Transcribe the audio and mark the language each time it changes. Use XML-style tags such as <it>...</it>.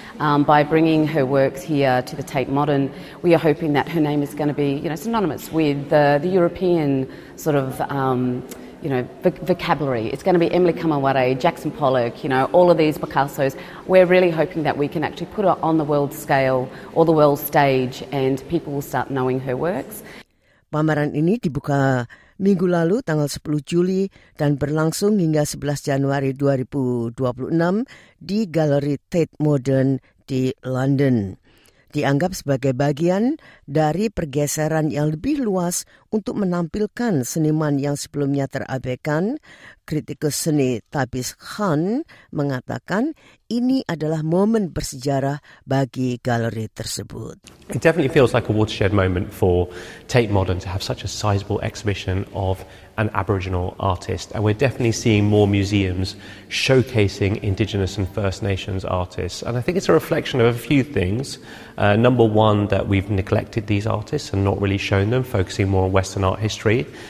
<en>By bringing her works here to the Tate Modern, we are hoping that her name is going to be, you know, synonymous with the European sort of, you know, vocabulary. It's going to be Emily Kamaware, Jackson Pollock, you know, all of these Picassos. We're really hoping that we can actually put her on the world scale or the world stage and people will start knowing her works.</en> <id>Pameran ini dibuka minggu lalu tanggal 10 Juli dan berlangsung hingga 11 Januari 2026 di Galeri Tate Modern di London. Dianggap sebagai bagian dari pergeseran yang lebih luas untuk menampilkan seniman yang sebelumnya terabaikan, kritikus seni Tabis Khan mengatakan ini adalah momen bersejarah bagi galeri tersebut.</id> <en>It definitely feels like a watershed moment for Tate Modern to have such a sizable exhibition of an Aboriginal artist. And we're definitely seeing more museums showcasing Indigenous and First Nations artists. And I think it's a reflection of a few things. Number one, that we've neglected these artists and not really shown them, focusing more on Western art history.</en>